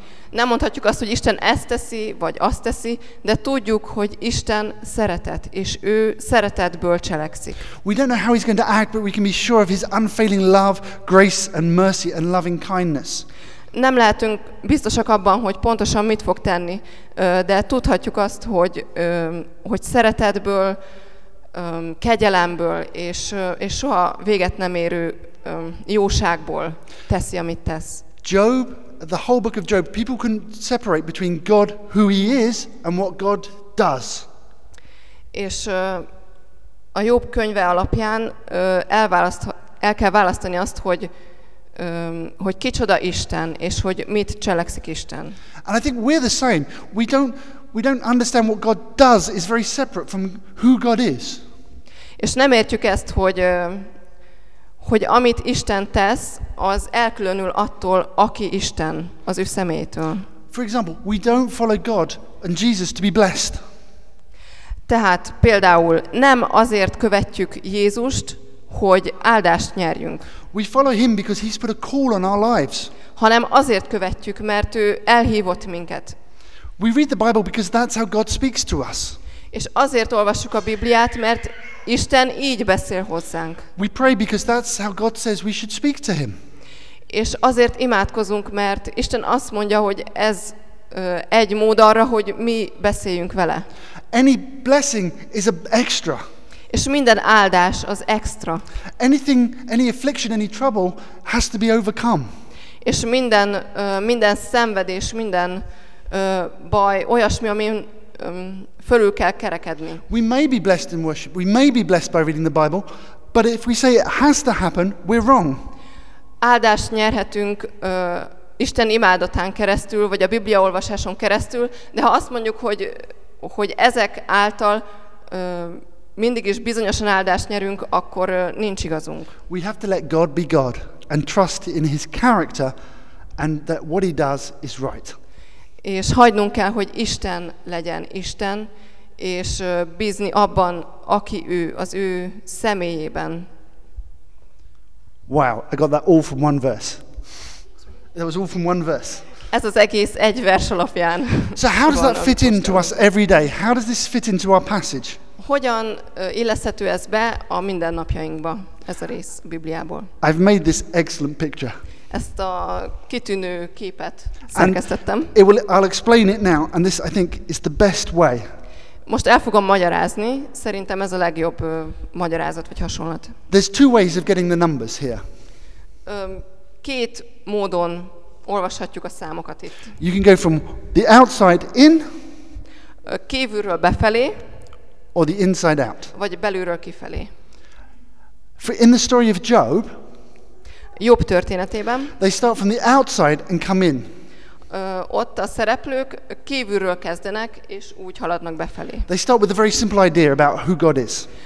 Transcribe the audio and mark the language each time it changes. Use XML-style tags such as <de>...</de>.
<hu>Nem mondhatjuk azt, hogy Isten ezt teszi, vagy azt teszi, de tudjuk, hogy Isten szeretet, és ő szeretetből cselekszik.</hu> <en>We don't know how he's going to act, but we can be sure of his unfailing love, grace and mercy and loving kindness.</en> <hu>Nem lehetünk biztosak abban, hogy pontosan mit fog tenni, de tudhatjuk azt, hogy, hogy szeretetből, kegyelemből és soha véget nem érő jóságból teszi, amit tesz.</hu> <en>Job, the whole book of Job, people can separate between God, who he is, and what God does.</en> <hu>És a Job könyve alapján el kell választani azt, hogy hogy kicsoda Isten, és hogy mit cselekszik Isten.</hu> <en>And I think we're the same. We don't understand what God does is very separate from who God is.</en> <hu>És nem értjük ezt, hogy hogy amit Isten tesz, az elkülönül attól, aki Isten, az ő személytől.</hu> <en>For example, we don't follow God and Jesus to be blessed.</en> <hu>Tehát például nem azért követjük Jézust, hogy áldást nyerjünk.</hu> <en>We follow him because he's put a call on our lives.</en> <hu>Hanem azért követjük, mert ő elhívott minket.</hu> <en>We read the Bible because that's how God speaks to us.</en> <hu>És azért olvassuk a Bibliát, mert Isten így beszél hozzánk.</hu> <en>We pray because that's how God says we should speak to him.</en> <hu>És azért imádkozunk, mert Isten azt mondja, hogy ez egy mód arra, hogy mi beszéljünk vele.</hu> <en>Any blessing is extra.</en> <hu>És minden áldás az extra.</hu> <en>Anything, any affliction, any trouble has to be overcome.</en> <hu>És minden minden szenvedés, minden baj, olyasmi, amin fölül kell kerekedni.</hu> <en>We may be blessed in worship. We may be blessed by reading the Bible, but if we say it has to happen, we're wrong.</en> <hu>Áldást nyerhetünk Isten imádatán keresztül, vagy a Biblia olvasáson keresztül, de ha azt mondjuk, hogy ezek által mindig is bizonyosan áldást nyerünk, akkor nincs igazunk.</hu> <en>We have to let God be God and trust in his character and that what he does is right.</en> <hu>És hagynunk kell, hogy Isten legyen Isten, és bízni abban, aki ő, az ő személyében.</hu> <en>Wow, I got that all from one verse. That was all from one verse.</en> <hu>Ez az egész egy vers alapján.</hu> <en>So how does that fit into us every day? How does this fit into our passage?</en> <hu>Hogyan illeszthető ez be a mindennapjainkba, ez a rész a Bibliából?</hu> <en>I've made this excellent picture.</en> <hu>Ezt a kitűnő képet szerkesztettem.</hu> <en>I'll explain it now, and this I think is the best way.</en> <hu>Most el fogom magyarázni, szerintem ez a legjobb magyarázat vagy hasonlat.</hu> <en>There's two ways of getting the numbers here.</en> <hu>két módon olvashatjuk a számokat itt.</hu> <en>You can go from the outside in,</en> <hu>kívülről befelé,</hu> <en>or the inside out.</en> <hu>Vagy belülről kifelé.</hu> <en>For in the story of Job,</en> <hu>Jobb történetében,</hu> <en>they start from the outside and come in.</en> <hu>Ott a szereplők kívülről kezdenek és úgy haladnak befelé.</hu> <en>They start with a very simple idea about who God is.</en>